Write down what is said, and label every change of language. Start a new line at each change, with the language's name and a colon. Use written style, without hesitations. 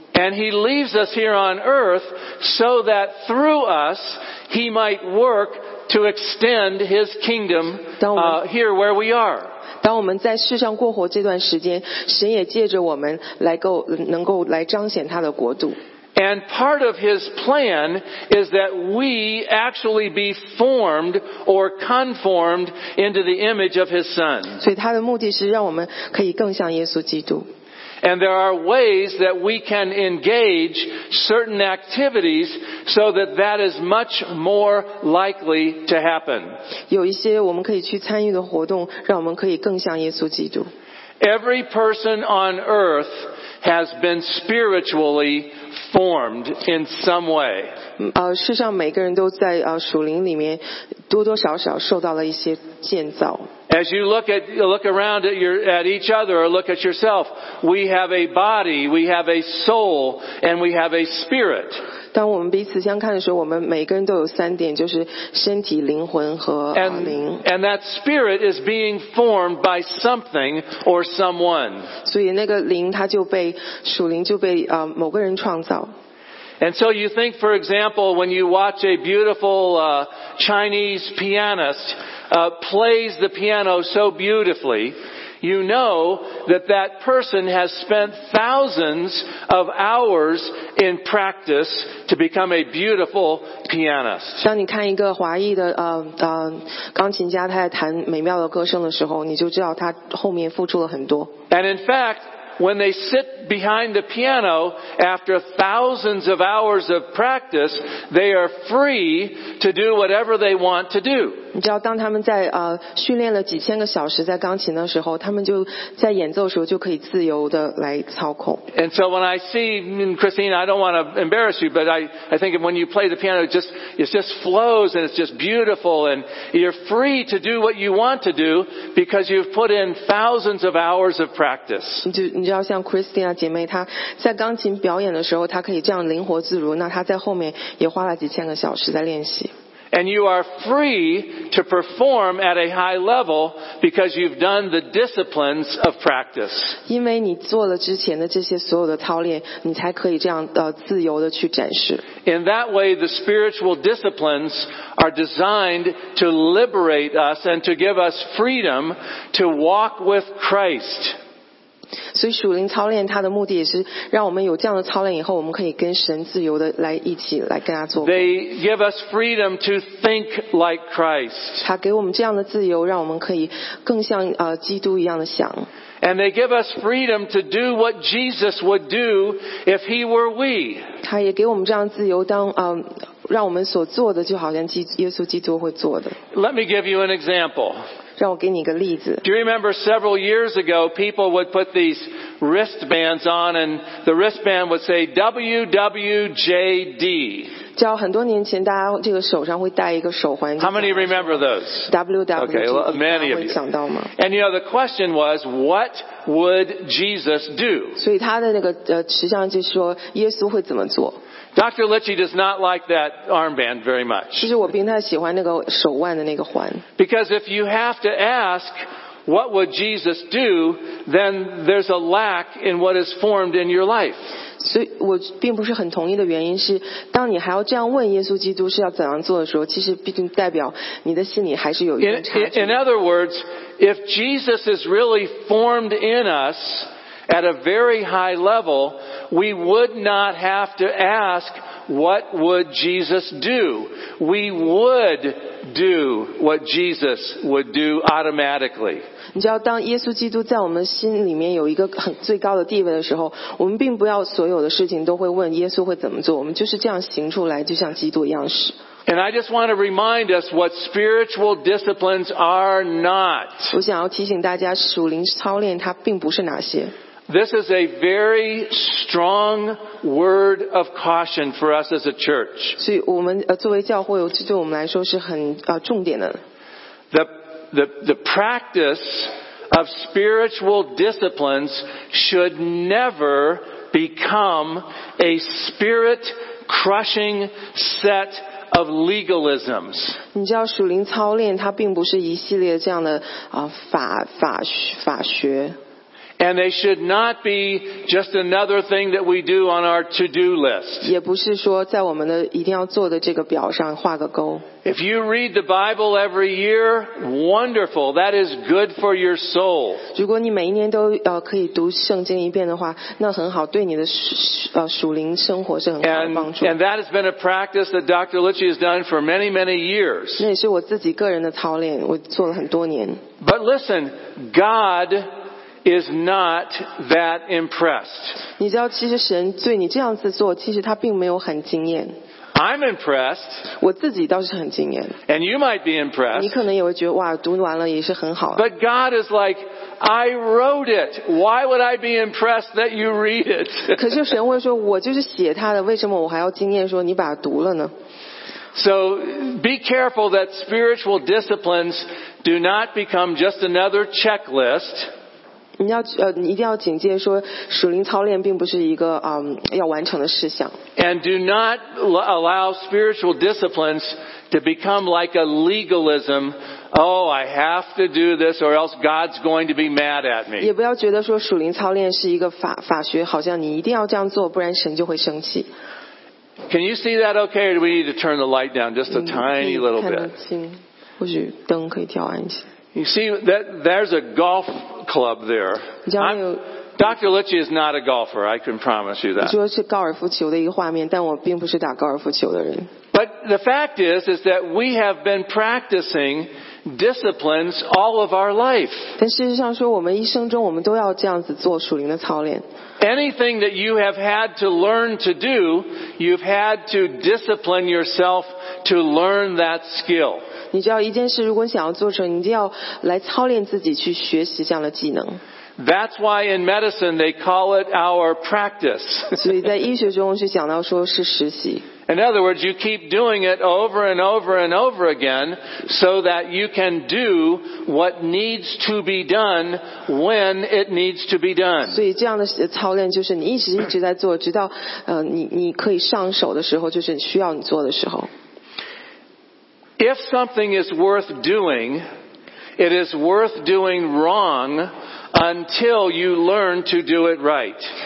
English: And He leaves us here on earth so that through us He might work to extend His kingdom here where we are.
Chinese: 当我们在世上过活这段时间，神也借着我们能够来彰显他的国度。
English: And part of His plan is that we actually be formed or conformed into the image of His Son.
Chinese: 所以他的目的是让我们可以更像耶稣基督。
English: And there are ways that we can engage certain activities so that that is much more likely to happen.
Chinese: 有一些我们可以去参与的活动，让我们可以更像耶稣基督。
English: Every person on earth has been spiritually formed in some way.
Chinese: 世上每个人都在属灵里面多多少少受到了一些建造。
English: As you look around at each other or look at yourself, we have a body, we have a soul, and we have a spirit.
Chinese: 当我们彼此相看的时候，我们每个人都有三点，就是身体、灵魂和灵。
English: And that spirit is being formed by something or someone.
Chinese: 所以那个灵，它就被属灵就被某个人创造。
English: And so you think, for example, when you watch a beautiful Chinese pianist plays the piano so beautifully, you know that person has spent thousands of hours in practice to become a beautiful pianist.
Chinese: 当你看一个华裔的钢琴家，他在弹美妙的歌声的时候，你就知道他后面付出了很多。
English: And in fact,When they sit behind the piano after thousands of hours of practice, they are free to do whatever they want to do.
Chinese: 你知道，当他们在训练了几千个小时在钢琴的时候，他们就在演奏的时候就可以自由的来操控。
English: And so when I see Christine, I don't want to embarrass you, but I think when you play the piano, it just flows and it's just beautiful, and you're free to do what you want to do because you've put in thousands of hours of practice.
Chinese: 你知道像 Christina 姐妹她在钢琴表演的时候她可以这样灵活自如那她在后面也花了几千个小时在练习
English: And you are free to perform at a high level because you've done the disciplines of practice
Chinese: 因为你做了之前的这些所有的操练你才可以这样自由的去展示
English: In that way the spiritual disciplines are designed to liberate us and to give us freedom to walk with Christ
Chinese: 所以属灵操练它的目的也是让我们有这样的操练以后我们可以跟神自由的来一起来跟他做工
English: They give us freedom to think like Christ
Chinese: 他给我们这样的自由让我们可以更像基督一样的想
English: And they give us freedom to do what Jesus would do if he were we
Chinese: 他也给我们这样的自由当让我们所做的就好像耶稣基督会做的
English: Let me give you an example
Chinese: 让我给你一个例子。
English: Do you remember several years ago, people would put these wristbands on, and the wristband would say WWJD.
Chinese: 叫很多年前大家这个手上会戴一个手环。
English: How many remember those? Okay, well, many of you. And you know, the question was, what would Jesus do?
Chinese: 所以他的那个实际上就是说耶稣会怎么做。
English: Dr. Litchie does not like that armband very much.
Chinese: 其实我并不太喜欢那个手腕的那个环。
English: Because if you have to ask,What would Jesus do? Then there's a lack in what is formed in your life.
Chinese: 所以我并不是很同意的原因是，当你还要这样问耶稣基督是要怎样做的时候，其实毕竟代表你的心里还是有一点差距。
English: In other words, if Jesus is really formed in us at a very high level, we would not have to ask what would Jesus do. We would. Do what Jesus would do automatically.
Chinese: 你知道，当耶稣基督在我们心里面有一个很最高的地位的时候，我们并不要所有的事情都会问耶稣会怎么做，我们就是这样行出来，就像基督一样是。
English: And I just want to remind us what spiritual disciplines are not.
Chinese: 我想要提醒大家，属灵操练它并不是哪些。
English: This is a very strong word of caution for us as a church.
Chinese: 所以我们作为教会，这对我们来说是很重点的。
English: The practice of spiritual disciplines should never become a spirit-crushing set of legalisms.
Chinese: 你知道属灵操练它并不是一系列这样的法学。
English: And they should not be just another thing that we do on our to-do list.
Chinese: 也不是说在我们的一定要做的这个表上画个勾。
English: If you read the Bible every year, wonderful. That is good for your soul.
Chinese: 如果你每一年都可以读圣经一遍的话，那很好，对你的属灵生活是很好的帮助。
English: And that has been a practice that Dr. Litchie has done for many, many years.
Chinese: 那也是我自己个人的操练，我做了很多年。
English: But listen, God. Is not that impressed.
Chinese: 你知道其实神对你这样子做其实他并没有很惊艳。
English: I'm impressed.
Chinese: 我自己倒是很惊艳。
English: And you might be impressed.
Chinese: 你可能也会觉得哇读完了也是很好。
English: But God is like, I wrote it. Why would I be impressed that you read it?
Chinese: 可是神会说我就是写他的为什么我还要惊艳说你把它读了呢？
English: So be careful that spiritual disciplines do not become just another checklist.
Chinese: 你要你一定要警戒说属灵操练并不是一个要完成的事项。
English: And do not allow spiritual disciplines to become like a legalism. Oh, I have to do this or else God's going to be mad at me.
Chinese: 也不要觉得说属灵操练是一个法学，好像你一定要这样做，不然神就会生气。
English: Can you see that? Okay, or do we need to turn the light down just a tiny little bit?
Chinese: 看得清，或许灯可以调暗一些。
English: You see that there's a golf club there. Dr. Litchie is not a golfer. I can promise you that.
Chinese: 你说是高尔夫球的一个画面，但我并不是打高尔夫球的人。
English: But the fact is that we have been practicing disciplines all of our life.
Chinese: 但事实上说，我们一生中我们都要这样子做属灵的操练。
English: Anything that you have had to learn to do, you've had to discipline yourself to learn that skill.
Chinese: 你知道一件事，如果你想要做成，你一定要来操练自己去学习这样的技能。
English: That's why in medicine they call it our practice.
Chinese: 所以在医学中是讲到说是实习。
English: In other words, you keep doing it over and over and over again so that you can do what needs to be done when it needs to be done.
Chinese: 所以这样的操练就是你一直在做，直到你可以上手的时候，就是需要你做的时候。
English: If something is worth doing, it is worth doing wrong until you learn to do it right.